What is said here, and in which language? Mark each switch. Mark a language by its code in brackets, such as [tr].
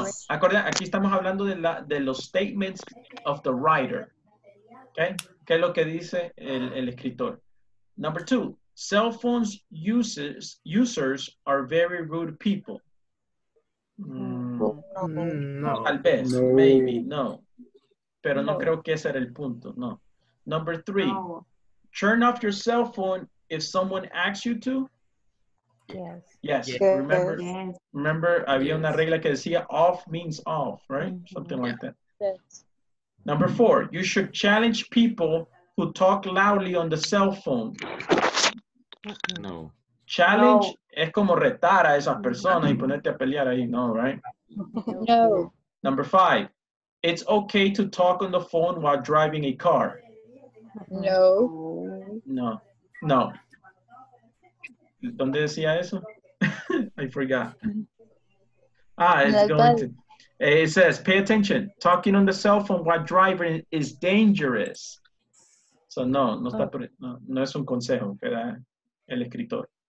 [es] Acorda, aquí estamos hablando de los [en] statements of the writer. [es] Okay? ¿Qué es lo que dice el escritor? [en] Number two, cell phones users are very rude people. No. [es] Pero no creo que ese era el punto, no. [en] Number three, turn off your cell phone if someone asks you to. Yes. [es] Remember, había una regla que decía [en] off means off, right? Mm-hmm. Something like that. Yes. Number four, you should challenge people who talk loudly on the cell phone. No. [es] Challenge es como retar a esas personas y ponerte a pelear ahí, no, right? [en] No. Number five, it's okay to talk on the phone while driving a car. No. [es] ¿Dónde decía eso? [en] I forgot. Ah, it's going to. It says, pay attention. Talking on the cell phone while driving is dangerous. [es] So no es un consejo que da el escritor.